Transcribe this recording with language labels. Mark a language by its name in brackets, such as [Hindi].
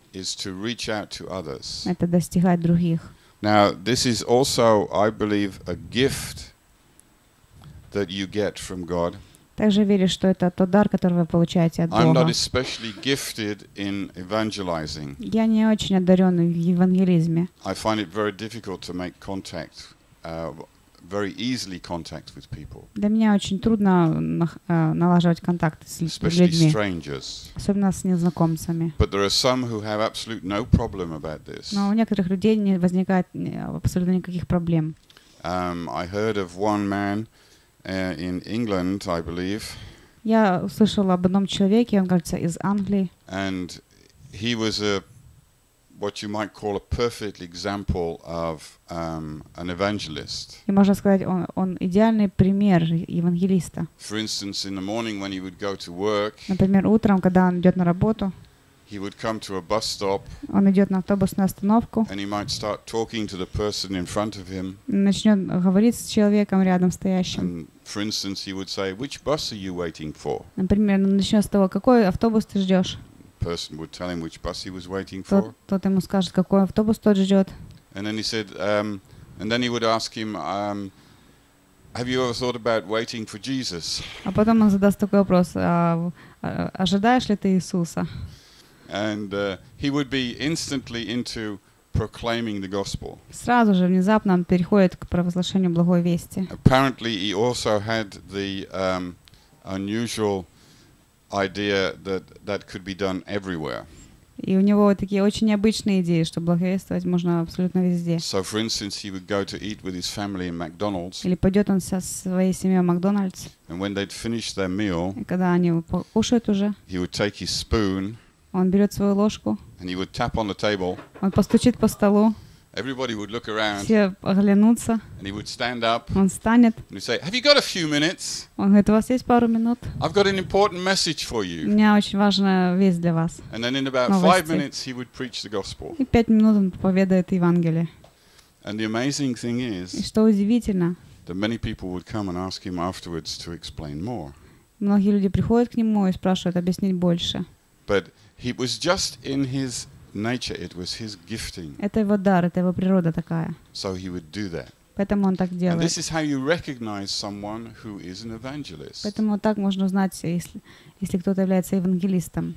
[English] Is to reach out to others. [Russian] Это достигать других. [English] Now, this is also, I believe, a gift that you get from God. [Russian] Также верю, что это тот дар, который вы получаете от Бога. [English] I'm not especially gifted in evangelizing. [Russian] Я не очень одаренный в евангелизме. [English] I find it very difficult to make contact, very easily contact with people. [Russian] Для меня очень трудно налаживать контакты с людьми. [English] Especially strangers. [Russian] Особенно с незнакомцами. [English] But there are some who have absolutely no problem about this. [Russian] Но у некоторых людей не возникает абсолютно никаких проблем. [English] I heard of one man in England, I believe. [Russian] Я услышала об одном человеке, он, кажется, из Англии. [English] And he was a what you might call a perfect example of an evangelist. [Russian] И можно сказать, он идеальный пример евангелиста. [English] For instance, in the morning when he would go to work. [Russian] Например, утром, когда он идет на работу. [English] He would come to a bus stop. [Russian] Он идет на автобусную остановку. [English] And he might start talking to the person in front of him. [Russian] Начнет говорить с человеком рядом стоящим. [English] And for instance, he would say, "Which bus are you waiting for?" [Russian] Например, он начнет с того, какой автобус ты ждешь. [English] Person would tell him which bus he was waiting for. [Russian] Тот ему скажет, какой автобус тот ждет. [English] And then he said, and then he would ask him, have you ever thought about waiting for Jesus? [Russian] А потом он задаст такой вопрос: ожидаешь ли ты Иисуса? [English] And he would be instantly into proclaiming the gospel. [Russian] Сразу же внезапно он переходит к провозглашению благой вести. [English] Apparently, he also had the unusual idea that could be done everywhere. [Russian] И у него такие очень необычные идеи, что благовествовать можно абсолютно везде. [English] So for instance, he would go to eat with his family in McDonald's. [Russian] Или пойдет он со своей семьей в Макдональдс. [English] And when they'd finished their meal, [Russian] и когда они кушают уже, [English] he would take his spoon. [Russian] Он берет свою ложку. [English] And he would tap on the table. [Russian] Он постучит по столу. [English] Everybody would look around. [Russian] Все оглянутся. [English] And he would stand up. [Russian] Он встанет. [English] And he'd say, "Have you got a few minutes?" [Russian] Он говорит, у вас есть пару минут? [English] I've got an important message for you. [Russian] У меня очень важная весть для вас. [English] And then in about [Russian] новости. [English] 5 minutes he would preach the gospel. [Russian] И 5 минут он проповедует Евангелие. [English] And the amazing thing is. [Russian] И что удивительно. [English] That many people would come and ask him afterwards to explain more. [Russian] Многие люди приходят к нему и спрашивают объяснить больше. [English] But he was just in his nature, it was his gifting. [Russian] Это его дар, это его природа такая. [English] So he would do that. [Russian] Поэтому он так делает. [English] And this is how you recognize someone who is an evangelist. [Russian] Поэтому так можно узнать, если кто-то является евангелистом.